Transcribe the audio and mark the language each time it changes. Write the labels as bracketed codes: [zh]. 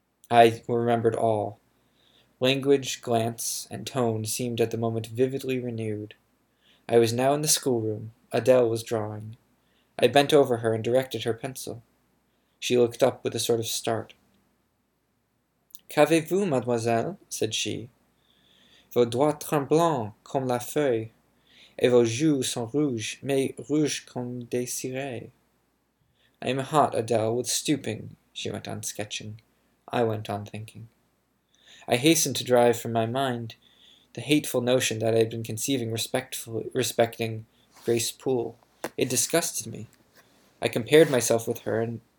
[en] I remembered all. Language, glance, and tone seemed at the moment vividly renewed. I was now in the schoolroom. Adele was drawing. I bent over her and directed her pencil. She looked up with a sort of start. [fr] Qu'avez-vous, mademoiselle? [en] Said she. [fr] Vos doigts tremblent comme la feuille. Et vos joues sont rouges, mais rouges comme des cirés. [en] I am hot, Adele, with stooping, she went on sketching. I went on thinking. I hastened to drive from my mind the hateful notion that I had been conceiving respecting Grace Poole. It disgusted me. I compared myself with her, and